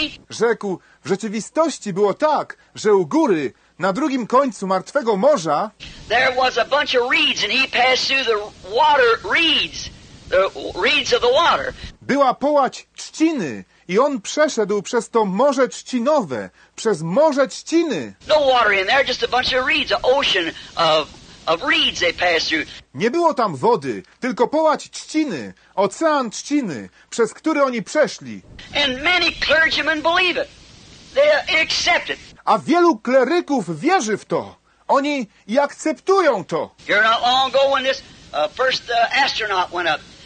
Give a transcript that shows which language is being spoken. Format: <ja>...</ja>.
<pl>Rzekł, w rzeczywistości było tak, że u góry, na drugim końcu Martwego Morza,</pl> <en>there was a bunch of reeds and he passed through the water reeds. The reeds of the water.</en> <pl>Była połać trzciny i on przeszedł przez to morze trzcinowe, przez morze trzciny.</pl> <en>No water in there, just a bunch of reeds, an ocean of reeds they passed through.</en> <pl>Nie było tam wody, tylko połać trzciny, ocean trzciny, przez który oni przeszli.</pl> <en>And many clergymen believe it. They accept it.</en> <pl>A wielu kleryków wierzy w to. Oni i akceptują to.</pl> <en>You're not long ago when this first astronaut went up.</en>